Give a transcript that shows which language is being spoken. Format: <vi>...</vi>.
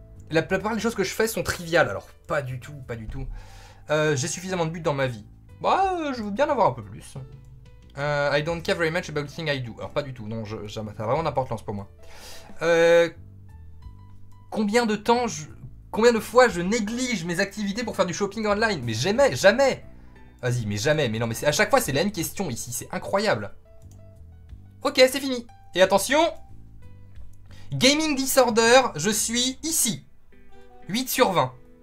<fr>La plupart des choses que je fais sont triviales, alors pas du tout. J'ai suffisamment de buts dans ma vie. Je veux bien en avoir un peu plus.</fr> <en>I don't care very much about things I do.</en> <fr>Alors pas du tout, non, ça a vraiment d'importance pour moi. Combien de fois je néglige mes activités pour faire du shopping online? Mais jamais. Vas-y, mais jamais, mais non, mais à chaque fois c'est la même question ici, c'est incroyable. Ok, c'est fini. Et attention, gaming disorder, je suis ici. 8 sur 20.</fr>